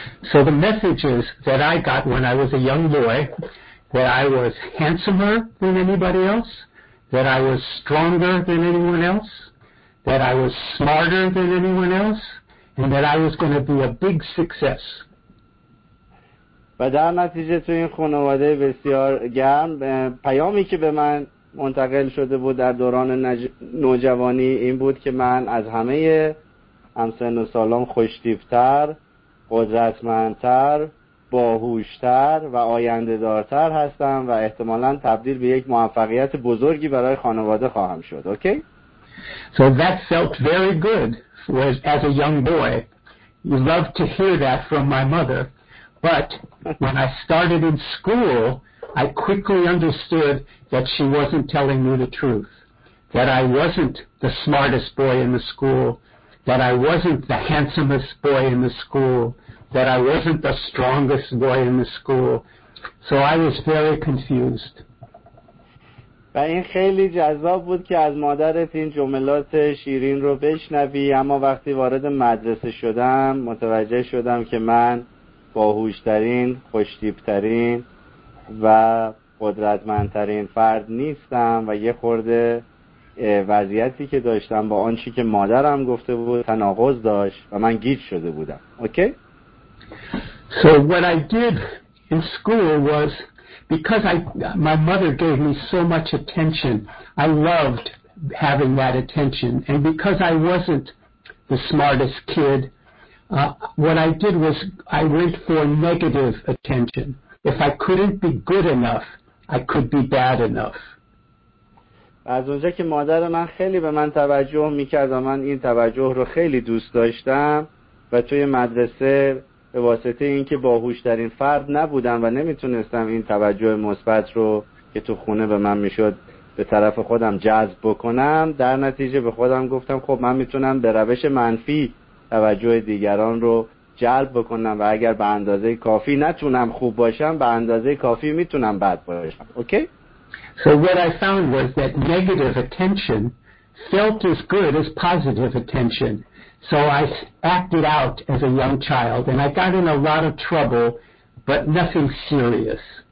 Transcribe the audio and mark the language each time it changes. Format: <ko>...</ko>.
<en>So the messages that I got when I was a young boy, that I was handsomer than anybody else, that I was stronger than anyone else, that I was smarter than anyone else, and that I was going to be a big success.</en> <fa>و در نتیجه تو این خانواده بسیار گرم پیامی که به من منتقل شده بود در دوران نوجوانی این بود که من از همه همسن و سالان خوشتیپ‌تر، قدرتمندتر، باهوشتر و آینده‌دارتر هستم و احتمالاً تبدیل به یک موفقیت بزرگی برای خانواده خواهم شد.</fa> <en>اوکی؟ So that felt very good. Was as a young boy, you love to hear that from my mother. But when I started in school, I quickly understood that she wasn't telling me the truth. That I wasn't the smartest boy in the school. That I wasn't the handsomest boy in the school. That I wasn't the strongest boy in the school. So I was very confused.</en> <fa>و این خیلی جذاب بود که از مادرت این جملات شیرین رو بشنوی، اما وقتی وارد مدرسه شدم متوجه شدم که من باهوشترین، خوشتیپترین و قدرتمندترین فرد نیستم و یه خورده وضعیتی که داشتم با آنچه که مادرم گفته بود تناقض داشت و من گیج شده بودم. اوکی؟</fa> <en>So what I did in school was because my mother gave me so much attention. I loved having that attention. And because I wasn't the smartest kid, what I did was I went for negative attention. If I couldn't be good enough, I could be bad enough.</en> <fa>از اونجا که مادر من خیلی به من توجه میکرد و من این توجه رو خیلی دوست داشتم و توی مدرسه به واسطه این که باهوش ترین فرد نبودم و نمیتونستم این توجه مثبت رو که تو خونه به من میشد به طرف خودم جذب بکنم، در نتیجه به خودم گفتم خب من میتونم به روش منفی توجه دیگران رو جلب بکنم و اگر به اندازه کافی نتونم خوب باشم، به اندازه کافی میتونم بد باشم.</fa> <en>اوکی؟ So what I found was that negative attention felt as good as positive attention. So I acted out as a young child, and I got in a lot of trouble, but nothing serious.</en>